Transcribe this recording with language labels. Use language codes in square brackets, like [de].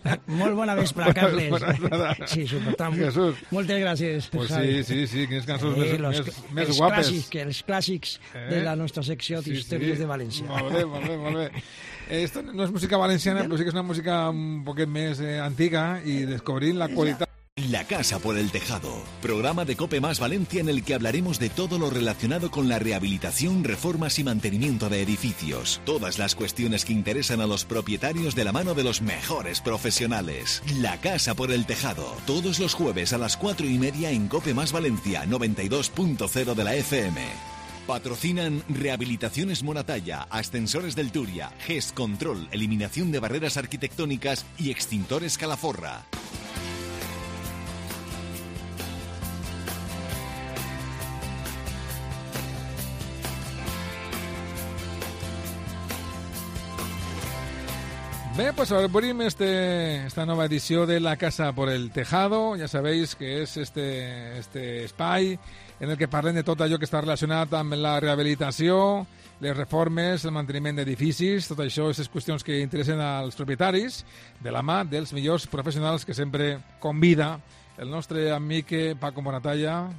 [ca] Molt bona vespre, Carles. Sí, Supertramp. Jesús. Moltes gràcies. Pues sí, quines cançons més guapes. Els clàssics de la nostra secció d'Històries de València. Molt bé. Esto no és música valenciana, però sí que és una música un poquet més antiga i descobrint la qualitat. [es] La casa por el tejado, programa de COPE Más Valencia en el que hablaremos de todo lo relacionado con la rehabilitación, reformas y mantenimiento de edificios. Todas las cuestiones que interesan a los propietarios de la mano de los mejores profesionales. La casa por el tejado, todos los jueves a las 4:30 en COPE Más Valencia 92.0 de la FM. Patrocinan Rehabilitaciones Moratalla, Ascensores del Turia, GES Control, Eliminación de Barreras Arquitectónicas y Extintores Calaforra. [ca] Bé, pues obrim esta nova edició de La Casa por el Tejado. Ja sabeu que és este espai en el que parlem de tot allò que està relacionat amb la rehabilitació, les reformes, el manteniment d'edificis, tot això, aquestes qüestions que interessen als propietaris, de la mà dels millors professionals que sempre convida el nostre amic Paco Moratalla.